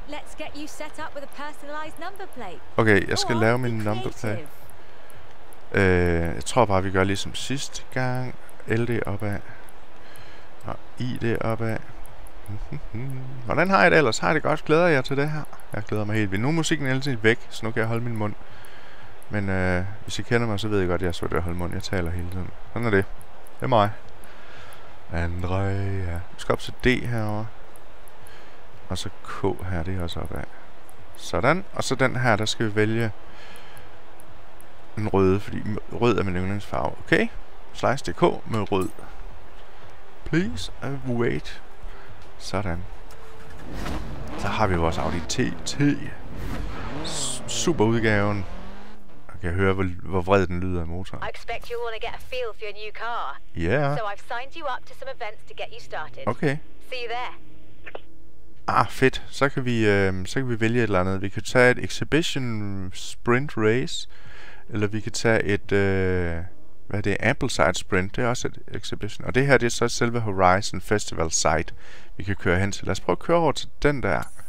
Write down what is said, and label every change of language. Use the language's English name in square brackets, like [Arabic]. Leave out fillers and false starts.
[English] Let's get you set up with a personalized number plate. [Danish] Okay, jeg skal lave min nummerplade. Jeg tror bare, vi gør ligesom sidste gang. LD opad. Og ID opad. Hvordan har jeg det ellers? Har jeg det godt? Glæder jeg til det her? Jeg glæder mig helt vildt. Nu er musikken altid væk, så nu kan jeg holde min mund. Men hvis I kender mig, så ved I godt, at jeg er svært ved at holde mund. Jeg taler hele tiden. Sådan er det. Det er mig. Andrea. Vi skal op til D herovre. Og så K her, det er også opad. Sådan. Og så den her, der skal vi vælge en rød, fordi rød er min yndlingsfarve. Okay. Slice.dk med rød. [English] Please wait. [Danish] Sådan. Så har vi vores Audi TT. Super udgaven. Og kan jeg høre, hvor vred den lyder i motoren. [English] I expect you want to get a feel for your new car. Yeah. So I've signed you up to some events to get you started. Okay. See you there. [Danish] Ah, fedt. Så kan vi vælge et eller andet. Vi kan tage et exhibition sprint race, eller vi kan tage et hvad er det, Ampleside Sprint, det er også et exhibition. Og det her, det er så selve Horizon Festival Site, vi kan køre hen til. Lad os prøve at køre over til den der.